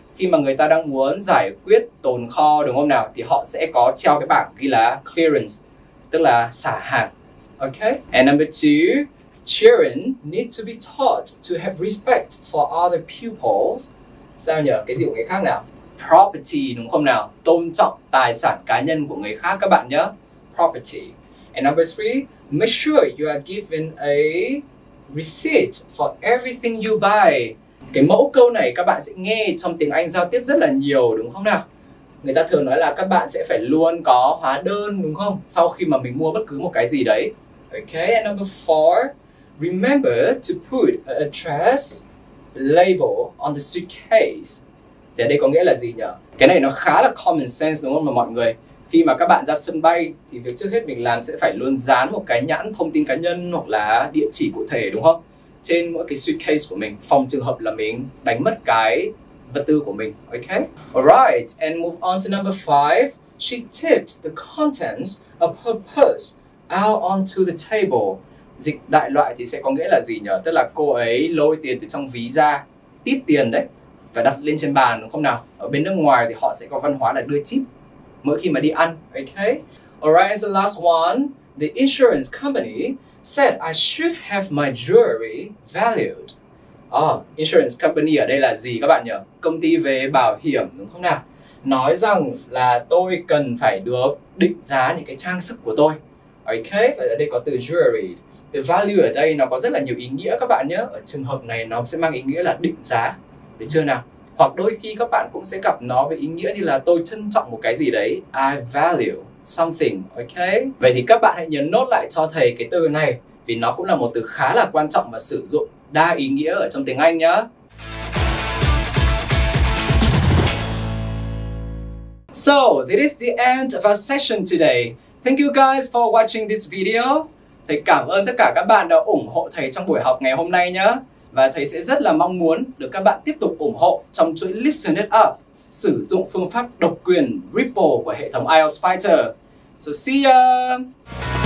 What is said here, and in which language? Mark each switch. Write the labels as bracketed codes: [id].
[vi] Khi mà người ta đang muốn giải quyết tồn kho đúng không nào thì họ sẽ có treo cái bảng ghi là clearance, tức là xả hàng. [en] Okay. And number 2, children need to be taught to have respect for other pupils. [vi] Sao nhỉ? Cái gì của người khác nào? Property đúng không nào? Tôn trọng tài sản cá nhân của người khác các bạn nhé. [en] Property. And number 3, make sure you are given a receipt for everything you buy. [vi] Cái mẫu câu này các bạn sẽ nghe trong tiếng Anh giao tiếp rất là nhiều đúng không nào? Người ta thường nói là các bạn sẽ phải luôn có hóa đơn đúng không? Sau khi mà mình mua bất cứ một cái gì đấy. [en] Okay, and number 4, remember to put an address label on the suitcase. [vi] Thế đây có nghĩa là gì nhỉ? Cái này nó khá là common sense đúng không mà mọi người? Khi mà các bạn ra sân bay thì việc trước hết mình làm sẽ phải luôn dán một cái nhãn thông tin cá nhân hoặc là địa chỉ cụ thể đúng không? Trên mỗi cái suitcase của mình, phòng trường hợp là mình đánh mất cái vật tư của mình, okay? [en] Alright, and move on to number 5. She tipped the contents of her purse out onto the table. [vi] Dịch đại loại thì sẽ có nghĩa là gì nhỉ? Tức là cô ấy lôi tiền từ trong ví ra, tip tiền đấy, và đặt lên trên bàn đúng không nào? Ở bên nước ngoài thì họ sẽ có văn hóa là đưa tip mỗi khi mà đi ăn, okay? [en] Alright, and the last one, the insurance company said I should have my jewelry valued. [vi] Insurance company ở đây là gì các bạn nhỉ? Công ty về bảo hiểm đúng không nào? Nói rằng là tôi cần phải được định giá những cái trang sức của tôi. Okay, vậy ở đây có từ jewelry. Từ value ở đây nó có rất là nhiều ý nghĩa các bạn nhé. Ở trường hợp này nó sẽ mang ý nghĩa là định giá. Được chưa nào? Hoặc đôi khi các bạn cũng sẽ gặp nó với ý nghĩa như là tôi trân trọng một cái gì đấy. [en] I value something, okay? [vi] Vậy thì các bạn hãy nhớ nốt lại cho thầy cái từ này vì nó cũng là một từ khá là quan trọng và sử dụng đa ý nghĩa ở trong tiếng Anh nhá. [en] So, this is the end of our session today. Thank you guys for watching this video. [vi] Thầy cảm ơn tất cả các bạn đã ủng hộ thầy trong buổi học ngày hôm nay nhá. Và thầy sẽ rất là mong muốn được các bạn tiếp tục ủng hộ trong chuỗi Listen It Up, sử dụng phương pháp độc quyền Ripple của hệ thống IELTS Fighter. [en] So see ya!